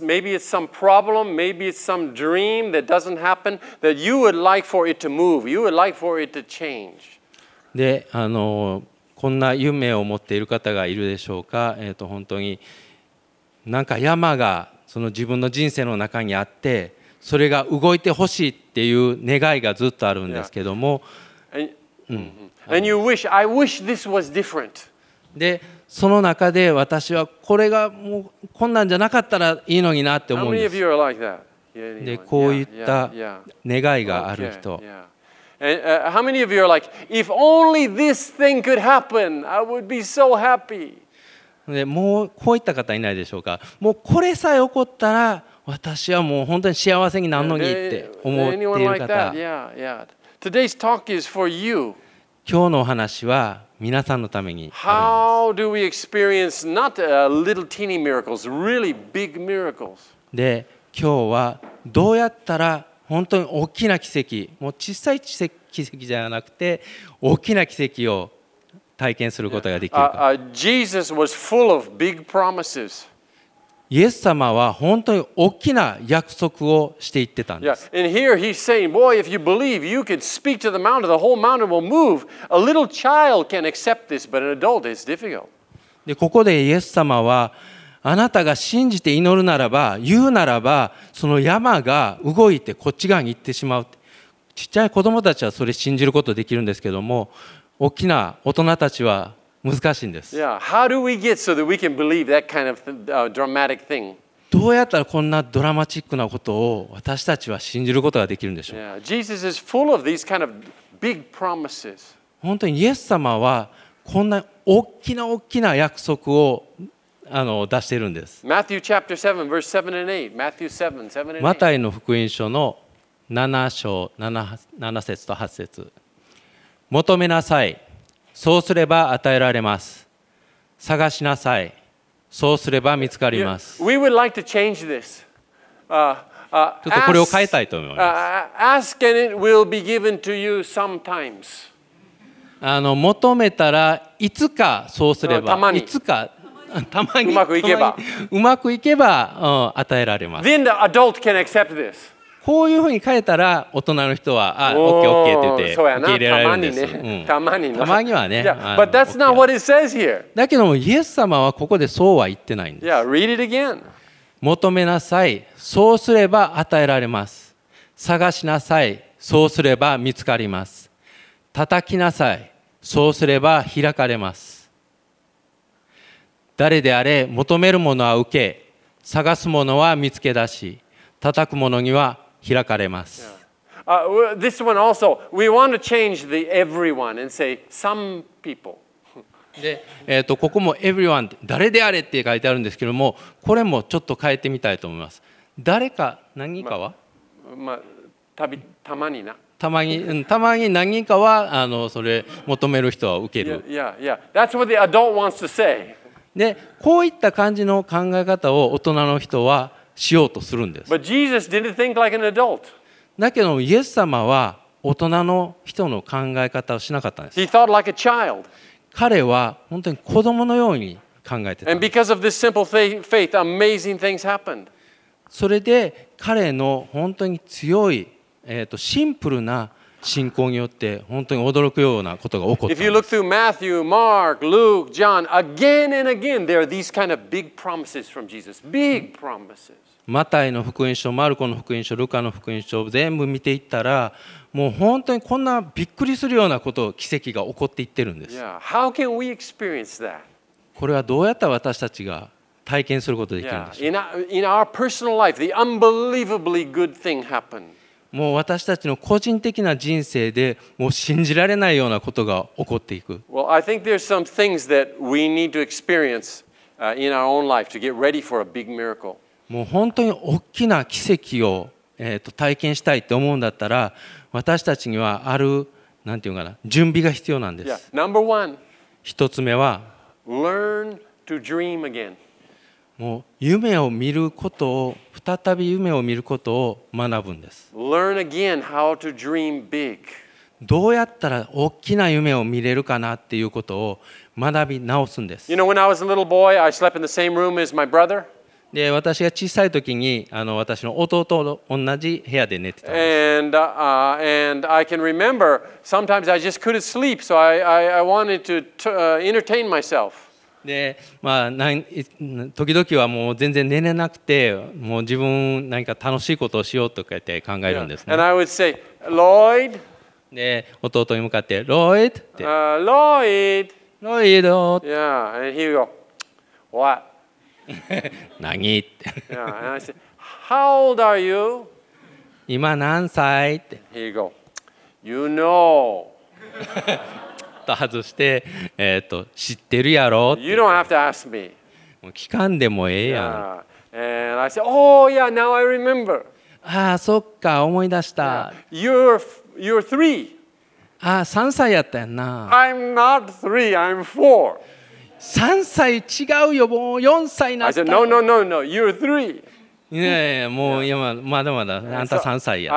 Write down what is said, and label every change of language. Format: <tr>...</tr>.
<en>Maybe it's some problem, maybe it's some dream that doesn't happen that you would like for it to move, you would like for it to change.</en> <ja>で、こんな夢を持っている方がいるでしょうか。本当に、なんか山がその自分の人生の中にあって、それが動いてほしいっていう願いがずっとあるんですけども。</ja> <en>And you wish, I wish this was different.</en> <ja>でその中で私はこれがもうこんなんじゃなかったらいいのになって思うんです。</ja> <en>Like、</en> <ja>でこういった願いがある人。</ja> <en>How many of you are like, if only this thing could happen, I would be so happy.</en> <ja>でもうこういった方いないでしょうか。もうこれさえ起こったら私はもう本当に幸せになるのにって思っている方。</ja> <en>Today's talk is for you.</en> <ja>今日のお話は皆さんのためにあります。</ja> <en>How do we experience not a little teeny miracles, really big miracles?</en> <ja>で、今日はどうやったら本当に大きな奇跡、もう小さい奇跡じゃなくて大きな奇跡を体験することができるか。</ja> <en>Jesus was full of big promises.</en> <ja>イエス様は本当に大きな約束をしていってたんです。</ja> <en>Yeah. And here he's saying, boy, if you believe, you could speak to the mountain, the whole mountain will move. A little child can accept this, but an adult is difficult.</en> <ja>で、ここでイエス様は、あなたが信じて祈るならば、言うならば、その山が動いてこっち側に行ってしまう。ちっちゃい子供たちはそれ信じることできるんですけども、大きな大人たちは、難しいんです。</ja> <en>Yeah. How do we get so that we can believe that kind of dramatic thing?</en> <ja>どうやったらこんなドラマチックなことを私たちは信じることができるんでしょう。</ja> <en>Yeah. Jesus is full of these kind of big promises.</en> <ja>本当にイエス様はこんな大きな大きな約束を出しているんです。</ja> <en>Matthew chapter 7 verse 7 and 8. Matthew 7, 7 and 8.</en> <ja>マタイの福音書の7章 7節と8節。求めなさい。そうすれば与えられます。探しなさい。そうすれば見つかります。</ja> <en>We would like to change this.</en> <ja>ちょっとこれを変えたいと思います。</ja> <en>Ask and it will be given to you sometimes.</en> <ja>求めたらいつかそうすれば、たまに、いつかたまにうまくいけば、うまくいけば、与えられます。</ja> <en>Then the adult can accept this.</en> <ja>こういうふうに変えたら大人の人はOKOKって言って受け入れられるんです。たまにね、たまにはね。</ja> <en>But that's not what it says here.</en> <ja>だけどもイエス様はここでそうは言ってないんです。</ja> <en>Yeah, read it again.</en> <ja>求めなさい、そうすれば与えられます。探しなさい、そうすれば見つかります。叩きなさい、そうすれば開かれます。誰であれ求めるものは受け、探すものは見つけ出し、叩くものには開かれます。</ja> <en>This one also, we want to change the everyone and say some people.</en> <ja>で、ここも everyone 誰であれって書いてあるんですけども、これもちょっと変えてみたいと思います。誰か何人かは、たまにな。たまに何人かはそれ求める人は受ける。</ja> <en>That's what the adult wants to say.</en> <ja>で、こういった感じの考え方を大人の人は。しようとするんです。</ja> <en>But Jesus didn't think like an adult.</en> <ja>だけどイエス様は大人の人の考え方をしなかったんです。</ja> <en>He thought like a child.</en> <ja>彼は本当に子供のように考えてたんです。</ja> <en>And because of this simple faith, amazing things happened.</en> <ja>それで彼の本当に強い、シンプルな信仰によって本当に驚くようなことが起こったんです。</ja> <en>If you look through Matthew, Mark, Luke, John, again and again, there are these kind of big promises from Jesus. Big promises.</en> <ja>マタイの福音書、マルコの福音書、ルカの福音書全部見ていったら、もう本当にこんなびっくりするようなこと、奇跡が起こっていってるんです。</ja> <en>Yeah. How can we experience that?</en> <ja>これはどうやった私たちが体験することができるんでしょうか。</ja> <en>Yeah. In our personal life, the unbelievably good thing happened.</en> <ja>もう私たちの個人的な人生でもう信じられないようなことが起こっていく。</ja> <en>Well, I think there's some things that we need to experience in our own life to get ready for a big miracle.</en> <ja>もう本当に大きな奇跡を体験したいと思うんだったら、私たちにはあるなんていうかな準備が必要なんです。</ja> <en>Yeah. Number one.</en> <ja>一つ目は、</ja> <en>learn to dream again.</en> <ja>もう夢を見ることを再び夢を見ることを学ぶんです。</ja> <en>Learn again how to dream big.</en> <ja>どうやったら大きな夢を見れるかなっていうことを学び直すんです。</ja> <en>You know, when I was a little boy, I slept in the same room as my brother.</en> <ja>で、私が小さい時に私の弟と同じ部屋で寝てたんです。</ja> <en>And I can remember sometimes I just couldn't sleep, so I wanted to entertain myself.</en> <ja>でまあ、時々はもう全然寝れなくて、もう自分何か楽しいことをしようとかって考えるんですね。</ja> <en>And I would say, Lloyd.</en> <ja>で弟に向かって、Lloyd って。</ja> <en>Lloyd. Lloyd. Yeah. And he would go, What?</en> <ja>何って。</ja> <en>Yeah. And I said, How old are you?</en> <ja>今何歳って。</ja> <en>He would go, You know.</en> <ja>と外して、知ってるやろって。</ja> <en>You don't have to ask me.</en> <ja>もう聞かんでもええやん。</ja> <en>Yeah. And I said, Oh yeah, now I remember.</en> <ja>ああ、そっか、思い出した。</ja> <en>Yeah. You're three.</en> <ja>ああ、三歳やったやんな。</ja> <en>I'm not three. I'm four.</en> <ja>三歳違うよ、もう四歳なった。</ja> <en>I said, No, no, no, no. You're three.</en> <ja>いやいや、もう今まだまだあんた3歳や。</ja>